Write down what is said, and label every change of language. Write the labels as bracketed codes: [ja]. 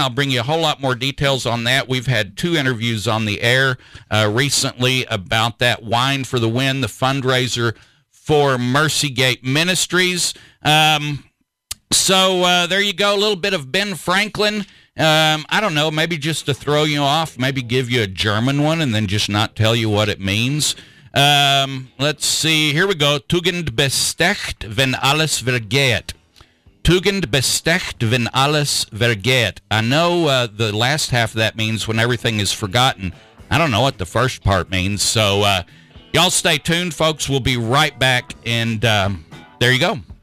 [en] I'll bring you a whole lot more details on that. We've had two interviews on the air recently about that Wine for the Win, the fundraiser for Mercy Gate Ministries. There you go, a little bit of Ben Franklin. I don't know, maybe just to throw you off, maybe give you a German one and then just not tell you what it means. Let's see. Here we go. [de] Tugend bestecht, wenn alles vergeht. Tugend bestecht, wenn alles vergeht. [en] I know the last half of that means when everything is forgotten. I don't know what the first part means. So y'all stay tuned, folks. We'll be right back. And there you go.